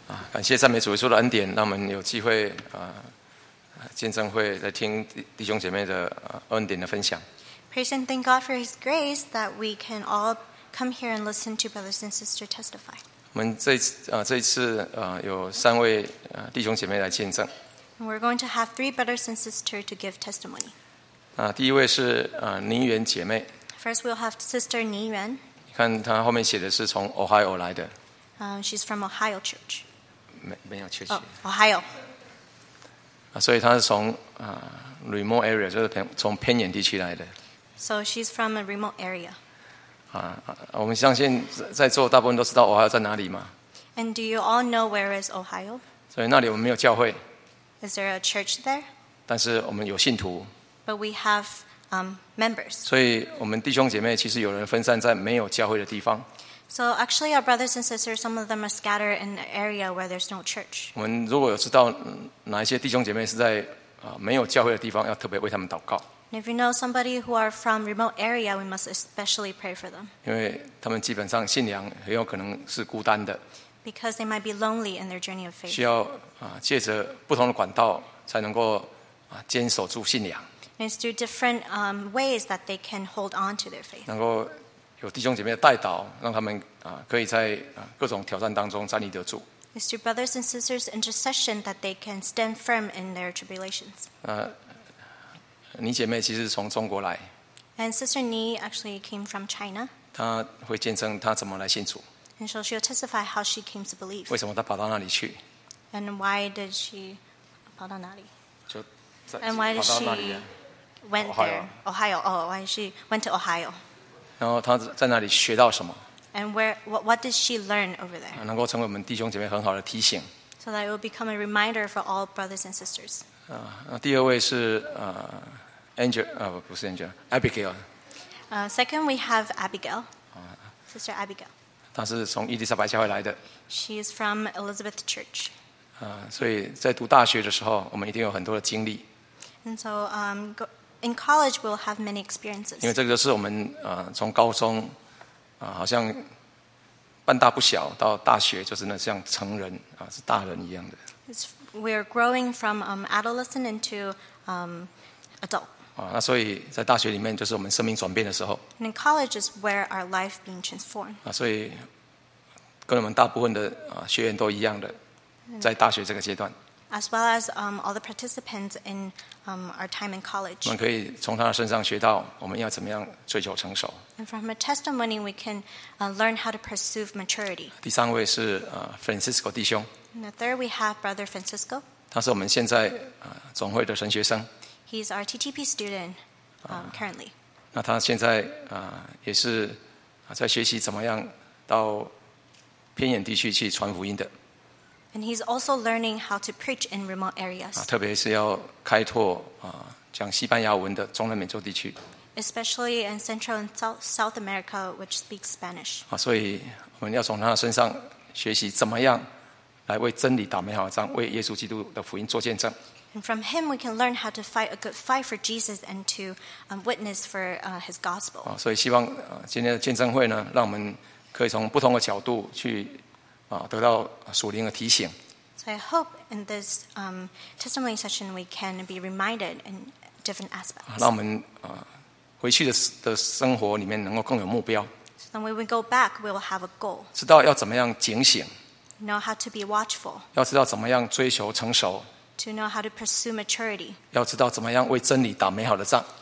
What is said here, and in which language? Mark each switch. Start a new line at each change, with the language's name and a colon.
Chinese: 感谢赞美主耶稣的恩典，让我们有机会见证会来听弟兄姐妹的恩典的分享。
English: Praise and thank God for His grace that we can all come here and listen to brothers and sisters testify.
Chinese: 我们这一次有三位弟兄姐妹来见证。
English: We're going to have three brothers and sisters to give testimony.
Chinese: 第一位是宁媛姐妹。
English: First, we'll have Sister 宁媛。
Chinese: 你看她后面写的是从 Ohio 来的。
English: She's from Ohio Church.
Chinese: 没有 Church.
English: Ohio.
Chinese: 所以她是从remote area， 就是从偏远地区来的。
English: So she's from a remote area.
Chinese: 我们相信在座大部分都知道 Ohio 在哪里吗
English: ？And do you all know where is Ohio？
Chinese: 所以那里我们没有教会。
English: Is there a church there？
Chinese: 但是我们有信徒。
English: But we have members.
Chinese: 所以我们弟兄姐妹其实有人分散在没有教会的地方。
English: So actually, our brothers and sisters, some of them are scattered in an area where there's no church.
Chinese: 我们如果有知道哪一些弟兄姐妹是在没有教会的地方，要特别为他们祷告。
English: And if you know somebody who are from remote area, we must especially pray for them.
Chinese: 因为他们基本上信仰很有可能是孤单的。
English: Because they might be lonely in their journey of faith.
Chinese: 需要借着不同的管道才能够坚守住信仰。
English: And it's through different ways that they can hold on to their faith.
Chinese: 能够有弟兄姐妹的带导，让他们可以在各种挑战当中站立得住。
English: It's through brothers and sisters' intercession that they can stand firm in their tribulations.
Chinese: 你姐妹其实从中国来。
English: And Sister Ni actually came from China.
Chinese: 她会见证她怎么来信主。
English: And so she'll testify how she came to believe.
Chinese: 为什么她跑到那里去
English: ？And why did she
Chinese: 跑到哪里？就
English: And why did she went there? Ohio. Oh, why she went to Ohio?
Chinese: 然后她在那里学到什么
English: ？And where what did she learn over there?
Chinese: 能够成为我们弟兄姐妹很好的提醒。
English: So that it will become a reminder for all brothers and sisters.
Chinese: 第二位是Angel 不是 Angel Abigail。
English: Second we have Abigail. Sister Abigail.
Chinese: 她是从伊丽莎白教会来的。
English: She is from Elizabeth Church.
Chinese: 所以在读大学的时候，我们一定有很多的经历。
English: And so in college we'll have many experiences.
Chinese: 因为这个就是我们从高中好像半大不小到大学，就是那像成人是大人一样的。
English: We're growing from adolescent into adult.
Chinese: 那所以在大学里面就是我们生命转变的时候。
English: And in college is where our life being transformed.
Chinese: 所以跟我们大部分的学员都一样的，在大学这个阶段。
English: As well as all the participants in our time in college.
Chinese: 我们可以从他的身上学到我们要怎么样追求成熟。
English: And from her testimony, we can learn how to pursue maturity.
Chinese: 第三位是Francisco 弟兄。
English: And the third, we have Brother Francisco.
Chinese: 他是我们现在总会的神学生。
English: He's our TTP student currently.
Chinese: 那他现在也是在学习怎么样到偏远地区去传福音的。
English: And he's also learning how to preach in remote areas.
Chinese: 特别是要开拓讲西班牙文的中南美洲地区。
English: Especially in Central and South America, which speaks Spanish.
Chinese: 所以我们要从他身上学习怎么样来为真理打美好仗，为耶稣基督的福音做见证。
English: And from him, we can learn how to fight a good fight for Jesus and to witness for his gospel.
Chinese: 所以希望今天的见证会呢，让我们可以从不同的角度去。得到属灵的提醒。
English: So I hope in this testimony session we can be reminded in different aspects.
Chinese: 让我们回去的生活里面能够更有目标。
English: So then when we go back, we will have a goal.
Chinese: 知道要怎么样警醒。
English: Know how to be watchful.
Chinese: 要知道怎么样追求成熟。
English: To know how to pursue maturity.
Chinese: 要知道怎么样为真理打美好的仗。